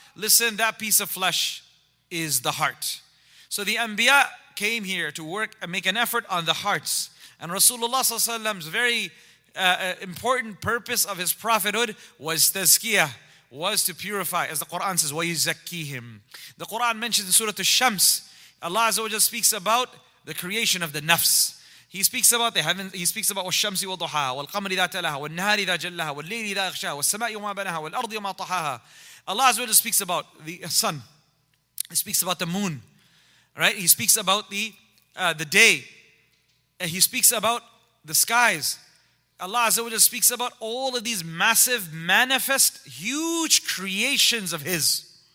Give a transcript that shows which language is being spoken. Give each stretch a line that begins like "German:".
English: Listen, that piece of flesh is the heart. So the Anbiya came here to work and make an effort on the hearts. And Rasulullah s.a.w.'s very important purpose of his prophethood was tazkiyah, was to purify, as the Quran says, وَيُزَكِّيهِمْ. The Quran mentions in Surah Al-Shams, Allah Azza wa Jalla speaks about the creation of the nafs. He speaks about the heavens, He speaks about
Arabic: وَالشَّمْسِ وَضُحَاهَا وَالْقَمْرِ ذَا تَلَاهَا وَالنَّهَارِ ذَا جَلَّهَا وَالْلَيْلِ ذَا أَغْشَاهَا وَالسَّمَاءِ وَمَا بَنَاهَا وَالْأَرْضِ وَمَا طَحَاهَا.
English: Allah Azza wa Jalla speaks about the sun. He speaks about the moon. Right? He speaks about the day. And He speaks about the skies. Allah Azza wa Jalla speaks about all of these massive, manifest, huge creations of His.